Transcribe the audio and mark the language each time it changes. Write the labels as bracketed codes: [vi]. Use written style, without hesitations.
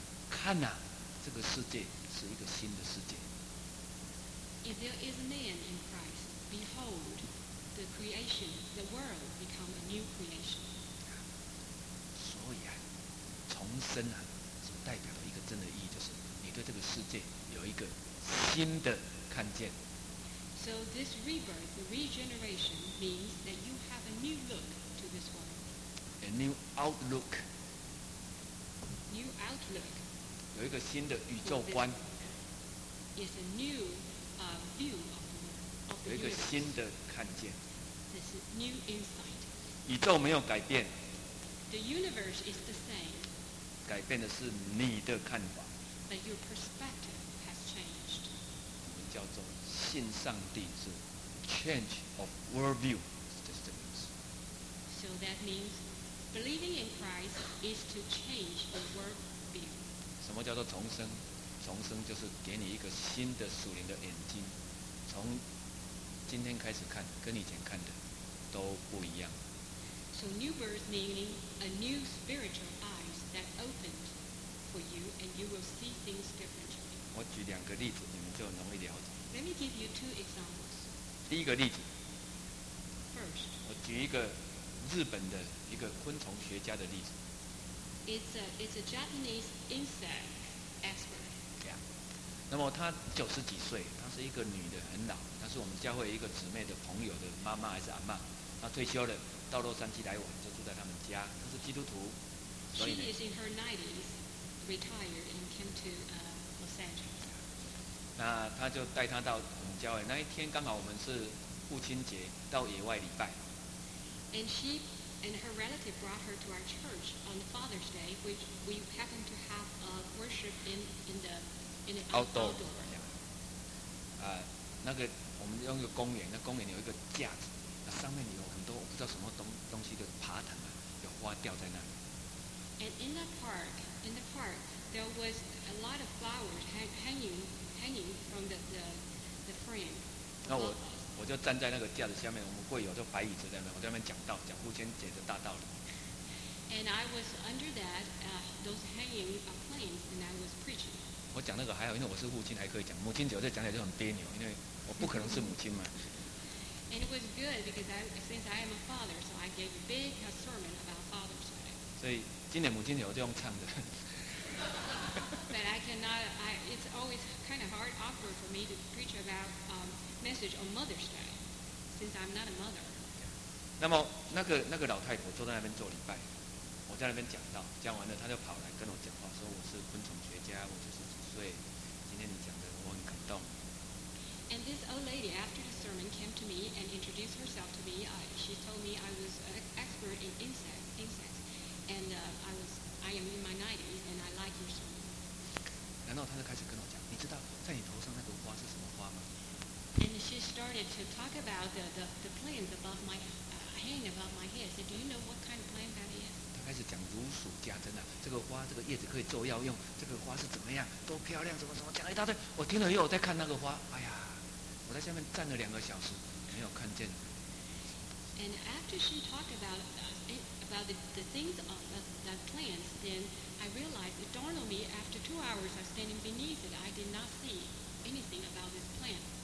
[zh] 看啊，这个世界是一个新的世界。 [en] If there is a man in Christ, behold, the creation, the world become a new creation. [zh] 所以啊，重生啊，所代表的一个真的意义就是，你对这个世界有一个新的看见。 [en] So this rebirth, the regeneration, means that you have a new look to this world. A new outlook. New outlook. [zh] 有一个新的宇宙观。 [en] Is a new view of the world. [zh] 有一个新的看见。 [en] This is new insight. [zh] 宇宙没有改变。 [en] The universe is the same. [zh] 改变的是你的看法。 [en] But your perspective has changed. [zh] 我们叫做。信上帝是 [en] change of worldview， [zh] 这是什么意思 [en] ？So that means believing in Christ is to change the worldview。 [zh] 什么叫做重生？重生就是给你一个新的属灵的眼睛，从今天开始看，跟以前看的都不一样。 [en] So new birth meaning a new spiritual eyes that opened for you and you will see things differently。 [zh] 我举两个例子，你们就容易了解。 [en] Let me give you two examples. [zh] 第一个例子。 [en] First. [zh] 我举一个日本的一个昆虫学家的例子。 [en] It's a Japanese insect expert. [zh] 对啊。那么她九十几岁，她是一个女的，很老。她是我们教会一个姊妹的朋友的妈妈还是阿妈。她退休了，到洛杉矶来玩，就住在他们家。她是基督徒。 [en] She is in her 90s, retired and came to Los Angeles. [zh] 那他就带他到我们教会。那一天刚好我们是父亲节，到野外礼拜。 [en] And she and her relative brought her to our church on Father's Day, which we happen to have a worship in the outdoor. Outdoor. [zh] 那个我们用一个公园，那公园有一个架子，那上面有很多我不知道什么东西的爬藤啊，有花掉在那里。 [en] And in that park, in the park, there was a lot of flowers hanging from the frame. [zh] 那我就站在那个架子下面，我们会有就白椅子在那边，我在那边讲道，讲父亲节的大道理。 [en] And I was under that those hanging planes, and I was preaching. [zh] 我讲那个还好，因为我是父亲，还可以讲。母亲节我再讲起来就很别扭，因为我不可能是母亲嘛。 [en] And it was good because since I am a father, so I gave a big sermon about Father's Day. [zh] 所以今年母亲节我就用唱的。 [en] But I cannot. It's always kind of hard, awkward for me to preach about message on Mother's Day, since I'm not a mother. [zh] 那么那个老太婆坐在那边做礼拜，我在那边讲到，讲完了，她就跑来跟我讲话，说我是昆虫学家，我就是几岁，今天你讲的我很感动。 [en] And this old lady, after the sermon, came to me and introduced herself to me. She told me I was an expert in insects, and I am in my 90s, and I like your sermon. [zh] 然后他就开始跟我讲，你知道在你头上那个花是什么花吗 [en] ？And she started to talk about the plants above my pain about my head. I said, do you know what kind of plant that is? [zh] 他开始讲如数家珍啊，这个花这个叶子可以做药用，这个花是怎么样，多漂亮，怎么怎么，讲一大堆。我听了以后，我在看那个花，哎呀，我在下面站了两个小时，没有看见。 [en] And after she talked about the things of the plants, then I realized it dawned on me after 2 hours of standing beneath it, I did not see anything about this plant.